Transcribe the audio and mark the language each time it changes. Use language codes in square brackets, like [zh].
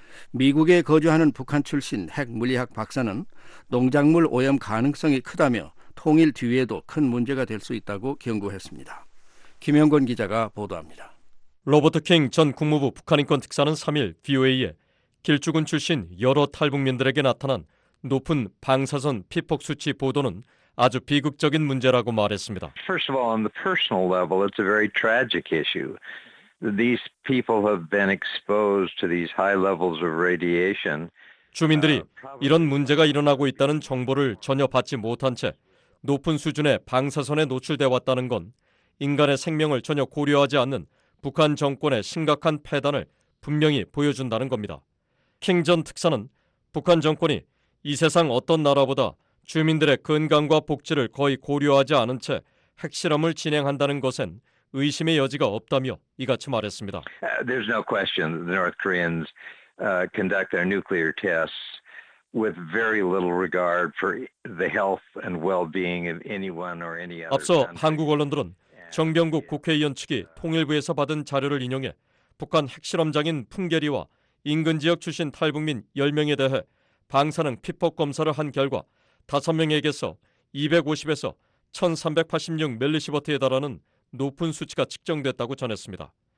[ko] 미국에 거주하는 북한 출신 핵물리학 박사는 농작물 오염 가능성이 크다며 통일 뒤에도 큰 문제가 될 수 있다고 경고했습니다. 김영권 기자가 보도합니다. 로버트 킹 전 국무부 북한인권특사는 3일 VOA에 길주군 출신 여러 탈북민들에게 나타난 높은 방사선 피폭 수치 보도는 아주 비극적인 문제라고 말했습니다. [en] First of all, on the personal level, it's a very tragic issue. These people have been exposed to these high levels of radiation. [ko] 주민들이 이런 문제가 일어나고 있다는 정보를 전혀 받지 못한 채 높은 수준의 방사선에 노출돼 왔다는 건 인간의 생명을 전혀 고려하지 않는 북한 정권의 심각한 패단을 분명히 보여준다는 겁니다. 킹 전 특사는 북한 정권이 이 세상 어떤 나라보다 주민들의 건강과 복지를 거의 고려하지 않은 채 핵실험을 진행한다는 것엔 의심의 여지가 없다며 이같이 말했습니다. [en] There's no question the North Koreans conduct their nuclear tests with very little regard for the health and well-being of anyone or any other. [ko] 앞서 한국 언론들은 정병국 국회의원 측이 통일부에서 받은 자료를 인용해 북한 핵실험장인 풍계리와 인근 지역 출신 탈북민 10명에 대해 방사능 피폭 검사를 한 결과 5명에게서 250에서 1386 멜리시버트에 달하는 높은 수치가 측정됐다고 전했습니다.